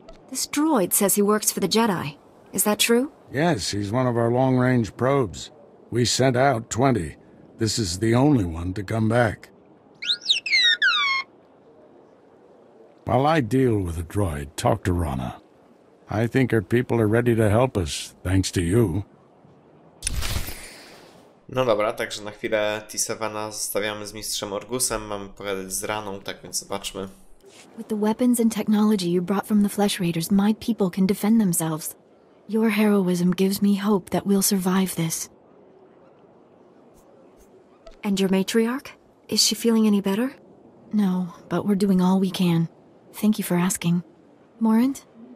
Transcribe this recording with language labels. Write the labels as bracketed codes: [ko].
[en] This droid says he works for the Jedi. Is that true? Yes, he's one of our long-range probes. We sent out 20. This is the only one to come back. While I deal with the droid, talk to Rana. I think her people are ready to help us, thanks to you. [pl] No dobra, także na chwilę T-7a zostawiamy z Mistrzem Orgusem, mamy pogadać z Raną, tak więc zobaczmy. [en] With the weapons and technology you brought from the Flesh Raiders, my people can defend themselves. Your heroism gives me hope that we'll survive this. And your matriarch? Is she feeling any better? No, but we're doing all we can. Thank you for asking. Morant?